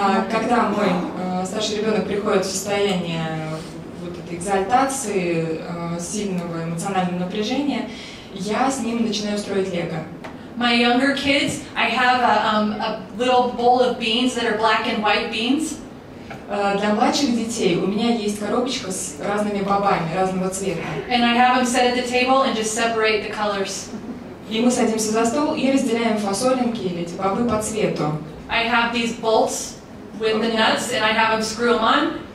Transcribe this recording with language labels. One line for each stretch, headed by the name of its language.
Russian: Когда мой старший ребенок приходит в состояние экзальтации, сильного эмоционального напряжения, я с ним начинаю строить лего.
English: My younger kids, I have a little bowl of beans that are black and white beans.
Russian: Для младших детей у меня есть коробочка с разными бобами разного цвета.
English: And I have them set at the table and just separate the colors.
Russian: И мы садимся за стол и разделяем фасолинки или эти бобы по цвету.
English: I have these bolts with the nuts and I have them screw them on.